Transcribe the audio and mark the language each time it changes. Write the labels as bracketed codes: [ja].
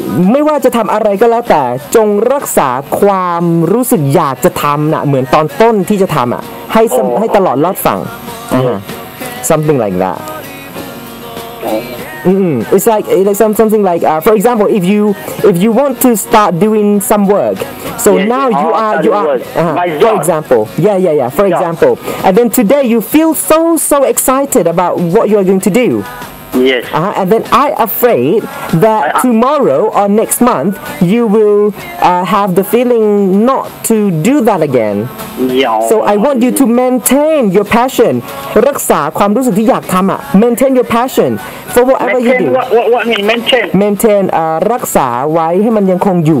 [th] ไม่ว่าจะทำอะไรก็แล้วแต่จงรักษาความรู้สึกอยากจะทำนะเหมือนตอนต้นที่จะทำอ่ะให้ตลอดรอดฝั่ง [en] something like that it's like something like for example if you want to start doing some work so yes, now yes, you are for example yeah for job. Example and then today you feel so excited about what you are going to do. Yes. Uh-huh. And then I afraid that tomorrow or next month you will have the feeling not to do that again. Yeah. So I want you to maintain your passion. [th] รักษาความรู้สึกที่อยากทำอ่ะ [en] maintain your passion for whatever you do. What mean maintain? [th] Maintain รักษาไว้ให้มันยังคงอยู